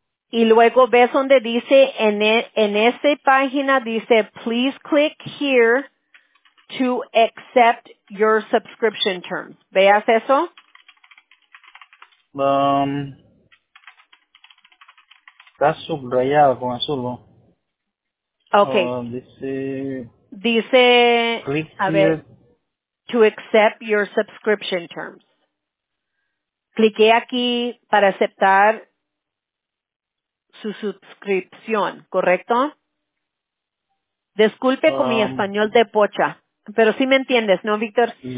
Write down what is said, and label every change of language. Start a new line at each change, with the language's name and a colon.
Spanish: Y luego ves donde dice, en esta página dice, please click here to accept your subscription terms. ¿Veas eso? Está subrayado con azul, ¿no? Okay. Dice,
English: click a here. Ver, to accept your subscription terms.
Spanish: Cliqué aquí para aceptar su suscripción, ¿correcto? Disculpe con mi español de pocha, pero sí me entiendes, ¿no, Víctor?